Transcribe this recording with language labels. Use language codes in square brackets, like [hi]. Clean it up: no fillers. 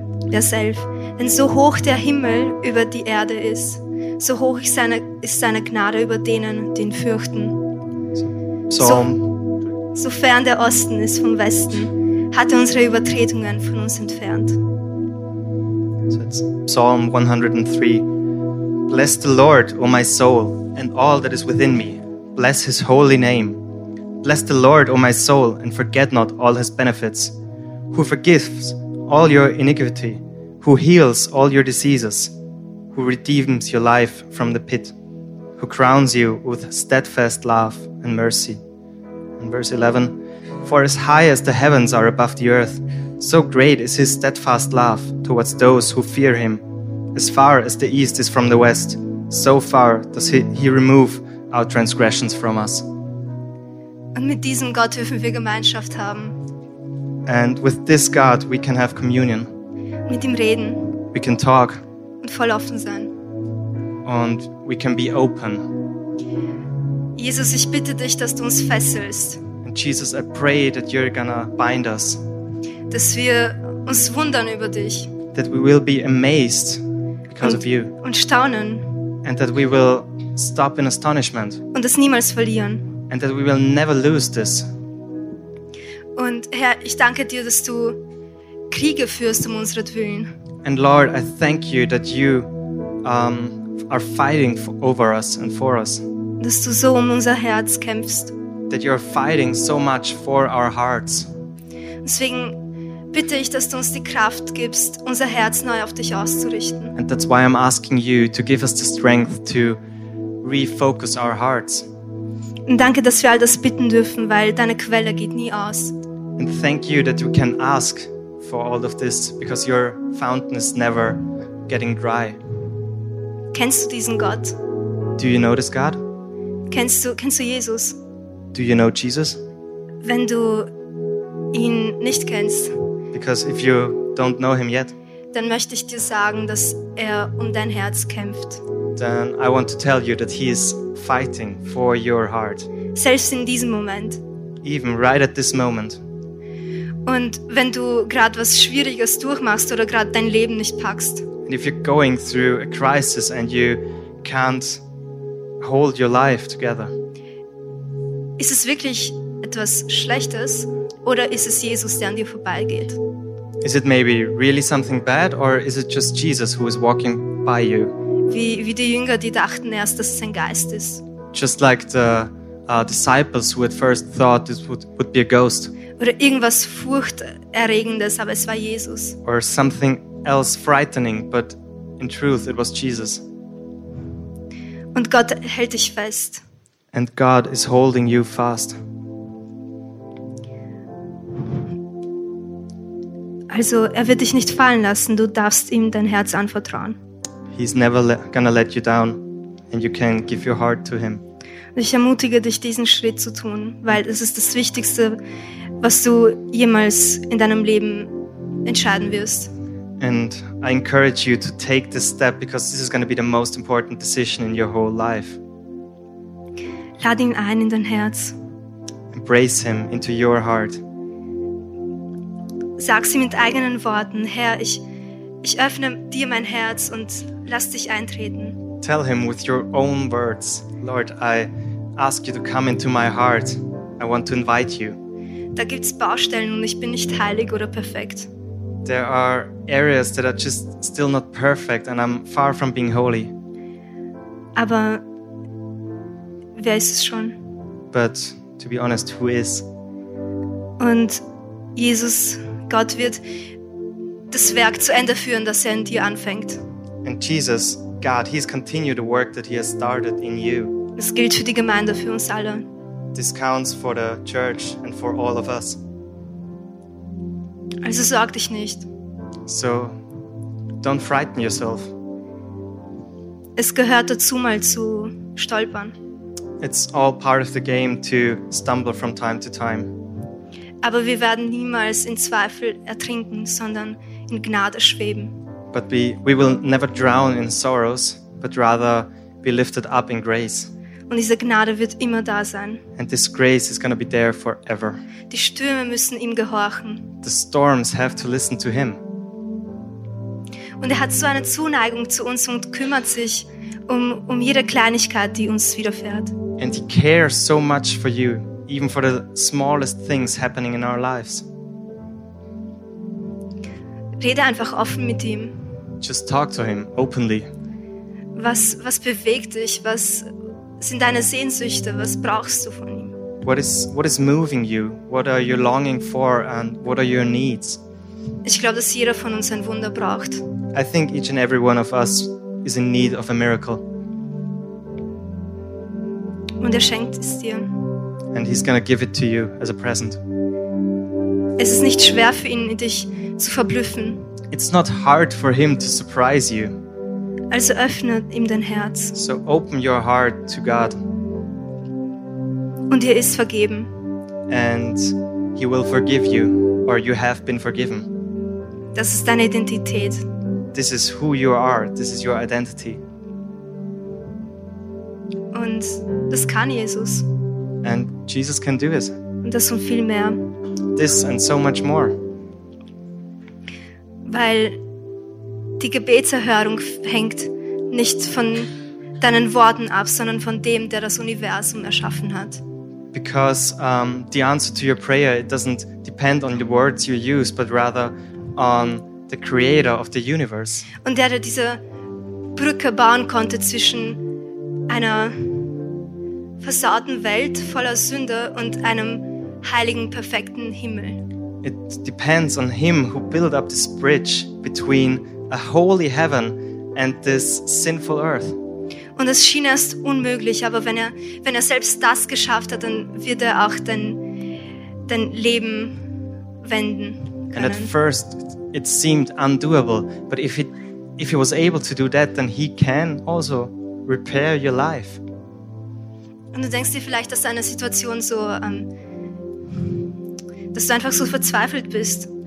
[de] Derself, denn so hoch der Himmel über die Erde ist, so hoch ist seine Gnade über denen, die ihn fürchten. So fern der Osten ist vom Westen, hat er unsere Übertretungen von uns entfernt. [en] So it's Psalm 103. Bless the Lord, O my soul, and all that is within me. Bless his holy name. Bless the Lord, O my soul, and forget not all his benefits. Who forgives all your iniquity, who heals all your diseases, who redeems your life from the pit, who crowns you with steadfast love and mercy. And verse 11, for as high as the heavens are above the earth, so great is his steadfast love towards those who fear him. As far as the east is from the west, so far does he remove our transgressions from us. [de] Und mit diesem Gott dürfen wir Gemeinschaft haben. [en] And with this God we can have communion. [de] Mit ihm reden. [en] We can talk. [de] Und voll offen sein. [en] And we can be open. [de] Jesus, ich bitte dich, dass du uns fesselst. [en] And Jesus, I pray that you're gonna bind us. [de] Dass wir uns wundern über dich. [en] That we will be amazed because of you. [de] Und staunen. [en] And that we will stop in astonishment. [de] Und es niemals verlieren. [en] And that we will never lose this. [de] Und Herr, ich danke dir, dass du Kriege führst um unseretwillen. [en] And Lord, I thank you that you are fighting over us and for us. [de] Dass du so um unser Herz kämpfst. [en] That you are fighting so much for our hearts. [de] Deswegen bitte ich, dass du uns die Kraft gibst, unser Herz neu auf dich auszurichten. [en] And that's why I'm asking you to give us the strength to refocus our hearts. [de] Und danke, dass wir all das bitten dürfen, weil deine Quelle geht nie aus. [en] And thank you that you can ask for all of this because your fountain is never getting dry. [de] Kennst du diesen Gott? [en] Do you know this God? [de] Kennst du Jesus? [en] Do you know Jesus? [de] Wenn du ihn nicht kennst. [en] Because if you don't know him yet. [de] Dann möchte ich dir sagen, dass er um dein Herz kämpft. [en] Then I want to tell you that he is fighting for your heart. [de] Selbst in diesem Moment. [en] Even right at this moment. [de] Und wenn du gerade was Schwieriges durchmachst oder gerade dein Leben nicht packst. [en] And if you're going through a crisis and you can't hold your life together. [de] Ist es wirklich etwas Schlechtes oder ist es Jesus, der an dir vorbeigeht? [en] Is it maybe really something bad or is it just Jesus who is walking by you? [de] Wie die Jünger, die dachten erst, dass es ein Geist ist. [en] Just like the disciples who at first thought it would be a ghost. [de] Oder irgendwas Furchterregendes, aber es war Jesus. [en] Or something else frightening, but in truth it was Jesus. [de] Und Gott hält dich fest. [en] And God is holding you fast. [de] Also, er wird dich nicht fallen lassen. Du darfst ihm dein Herz anvertrauen. [en] He's never gonna let you down, and you can give your heart to him. [de] Ich ermutige dich, diesen Schritt zu tun, weil es ist das Wichtigste, was du jemals in deinem Leben entscheiden wirst. [en] And I encourage you to take this step because this is gonna be the most important decision in your whole life. [de] Lade ihn ein in dein Herz. [en] Embrace him into your heart. [de] Sag sie mit eigenen Worten, Herr, ich öffne dir mein Herz und lass dich eintreten. [en] Tell him with your own words, Lord, I ask you to come into my heart. I want to invite you. [de] Da gibt's Baustellen und ich bin nicht heilig oder perfekt. [en] There are areas that are just still not perfect and I'm far from being holy. [de] Aber wer ist es schon? [en] But to be honest, who is? [de] Und Jesus, Gott wird das Werk zu Ende führen, das er in dir anfängt. [en] And Jesus, God, he's continued the work that he has started in you. [de] Das gilt für die Gemeinde, für uns alle. [en] This counts for the church and for all of us. [de] Also sorg dich nicht. [en] So, don't frighten yourself. [de] Es gehört dazu, mal zu stolpern. [en] It's all part of the game to stumble from time to time. [de] Aber wir werden niemals in Zweifel ertrinken, sondern in Gnade schweben. [en] But we will never drown in sorrows, but rather be lifted up in grace. [de] Und diese Gnade wird immer da sein. [en] And this grace is gonna be there forever. [de] Die Stürme müssen ihm gehorchen. [en] The storms have to listen to him. [de] Und er hat so eine Zuneigung zu uns und kümmert sich um jede Kleinigkeit, die uns widerfährt. [en] And he cares so much for you. Even for the smallest things happening in our lives. [de] Rede einfach offen mit ihm. [en] Just talk to him openly. [de] Was bewegt dich? Was sind deine Sehnsüchte? Was brauchst du von ihm? [en] What is moving you? What are you longing for and what are your needs? [de] Ich glaube, dass jeder von uns ein Wunder braucht. [en] I think each and every one of us is in need of a miracle. [de] Und er schenkt es dir. [en] And he's gonna give it to you as a present. [de] Es ist nicht schwer für ihn, dich zu verblüffen. [en] It's not hard for him to surprise you. [de] Also öffne ihm dein Herz. [en] So open your heart to God. [de] Und er ist vergeben. [en] And he will forgive you, or you have been forgiven. [de] Das ist deine Identität. [en] This is who you are. This is your identity. [de] Und das kann Jesus. [en] And Jesus can do it. [de] Und das und viel mehr. [en] This and so much more. [de] Weil die Gebetserhörung hängt nicht von deinen Worten ab, sondern von dem, der das Universum erschaffen hat. [en] Because the answer to your prayer, it doesn't depend on the words you use, but rather on the creator of the universe. [de] Und der diese Brücke bauen konnte zwischen einer versauten Welt voller Sünde und einem heiligen, perfekten Himmel. [en] It depends on him who built up this bridge between a holy heaven and this sinful earth. [de] Und es schien erst unmöglich, aber wenn er selbst das geschafft hat, dann wird er auch dein Leben wenden können. [en] And at first it seemed undoable, but if he was able to do that, then he can also repair your life. [de] Und du denkst dir vielleicht, dass deine Situation so, dass du einfach so verzweifelt bist.